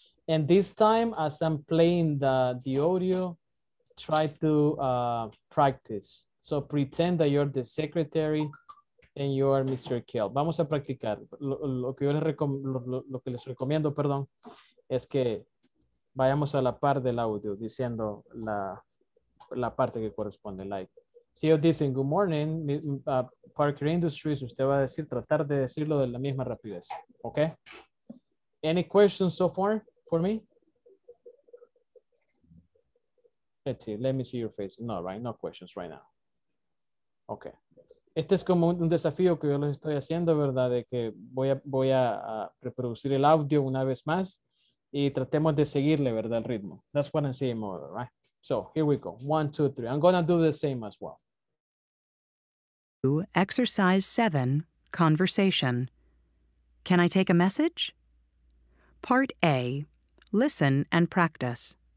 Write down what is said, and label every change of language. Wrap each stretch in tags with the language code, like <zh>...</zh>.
<en>And this time, as I'm playing the audio, try to practice. So pretend that you're the secretary and you're Mr.</en> <es>Kale. Vamos a practicar. Lo que les recomiendo, perdón, es que vayamos a la par del audio diciendo la parte que corresponde, like. Si ellos dicen, good morning, Parker Industries, usted va a decir, tratar de decirlo de la misma rapidez. ¿Ok?</es> <en>Any questions so far for me? Let's see. Let me see your face. No, right? No questions right now. ¿Ok?</en> <es>Este es como un desafío que yo les estoy haciendo, ¿verdad? De que voy a reproducir el audio una vez más y tratemos de seguirle, ¿verdad? El ritmo.</es> <en>That's what I'm saying, more, right? So here we go. 1, 2, 3. I'm going to do the same as well. Exercise 7, conversation. Can I take a message? Part A, listen and practice.</en>